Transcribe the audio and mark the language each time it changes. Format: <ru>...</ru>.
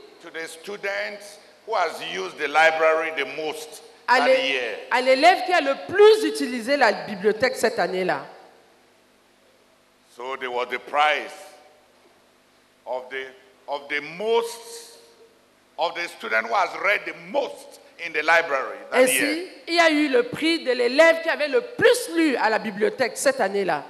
<en>To the student who has used the library the most that year.</en> <fr>À l'élève qui a le plus utilisé la bibliothèque cette année-là.</fr> <en>So there was the prize of the student who has read the most in the library that</en> <fr>Ainsi,</fr> <en>year.</en> <fr>Ainsi, il y a eu le prix de l'élève qui avait le plus lu à la bibliothèque cette année-là.</fr>